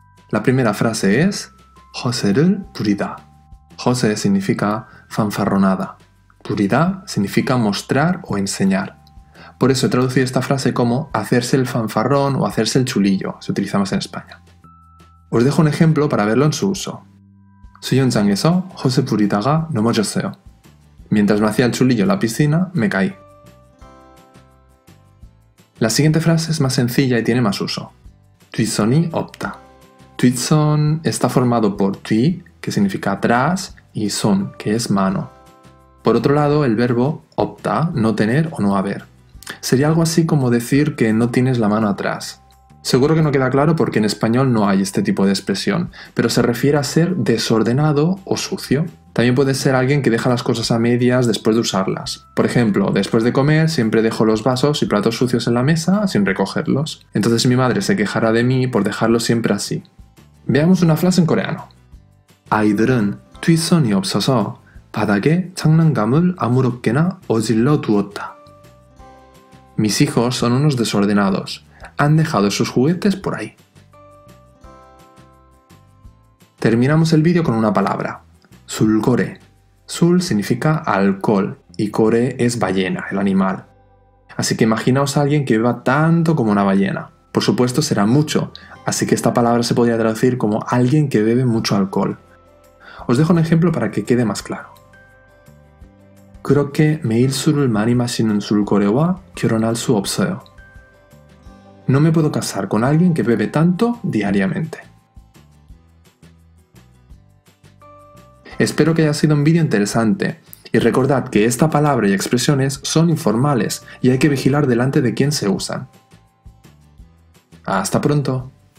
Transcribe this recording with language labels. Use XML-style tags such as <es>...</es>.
<es>La primera frase es 허세를 부리다. 허세 significa fanfarronada. 부리다 significa mostrar o enseñar. Por eso he traducido esta frase como hacerse el fanfarrón o hacerse el chulillo, se utiliza más en España. Os dejo un ejemplo para verlo en su uso.</es> <ko>수영장에서 허세 부리다가 넘어졌어요.</ko> <es>Mientras me hacía el chulillo en la piscina, me caí. La siguiente frase es más sencilla y tiene más uso.</es> <ko>뒷손이 없다.</ko> <es>뒷손 está formado por 뒤, que significa atrás, y 손, que es mano. Por otro lado, el verbo 없다, no tener o no haber. Sería algo así como decir que no tienes la mano atrás. Seguro que no queda claro porque en español no hay este tipo de expresión, pero se refiere a ser desordenado o sucio. También puede ser alguien que deja las cosas a medias después de usarlas. Por ejemplo, después de comer siempre dejo los vasos y platos sucios en la mesa sin recogerlos. Entonces mi madre se quejará de mí por dejarlo siempre así. Veamos una frase en coreano.</es> <ko>아이들은 뒷손이 없어서 바닥에 장난감을 아무렇게나 어질러 두었다.</ko> <es>Mis hijos son unos desordenados. Han dejado sus juguetes por ahí. Terminamos el vídeo con una palabra. 술고래. 술 significa alcohol y 고래 es ballena, el animal. Así que imaginaos a alguien que beba tanto como una ballena. Por supuesto, será mucho, así que esta palabra se podría traducir como alguien que bebe mucho alcohol. Os dejo un ejemplo para que quede más claro.</es> <ko>그렇게 매일 술을 많이 마시는 술고래와 결혼할 수 없어요.</ko> <es>No me puedo casar con alguien que bebe tanto diariamente. Espero que haya sido un vídeo interesante. Y recordad que esta palabra y expresiones son informales y hay que vigilar delante de quién se usan. ¡Hasta pronto!</es>